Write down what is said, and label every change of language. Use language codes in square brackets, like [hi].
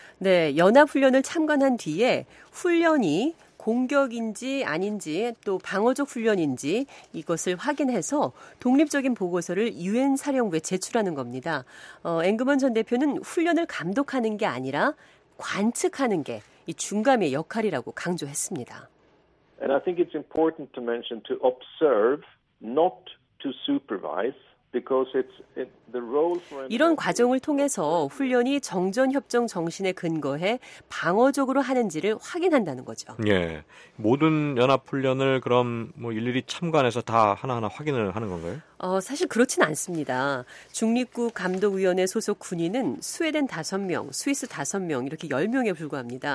[ko] 네, 연합훈련을 참관한 뒤에 훈련이 공격인지 아닌지 또 방어적 훈련인지 이것을 확인해서 독립적인 보고서를 유엔 사령부에 제출하는 겁니다. 앵그먼 전 대표는 훈련을 감독하는 게 아니라 관측하는 게 이 중감위의 역할이라고 강조했습니다. [en] And I think it's important to mention to observe, not to supervise, because it's the role for. [ko] 이런 과정을 통해서 훈련이 정전협정 정신에 근거해 방어적으로 하는지를 확인한다는 거죠. 예, 모든 연합훈련을 그럼 뭐 일일이 참관해서 다 하나하나 확인을 하는 건가요? 사실 그렇진 않습니다. 중립국 감독위원회 소속 군인은 스웨덴 5명, 스위스 5명 이렇게 10명에 불과합니다.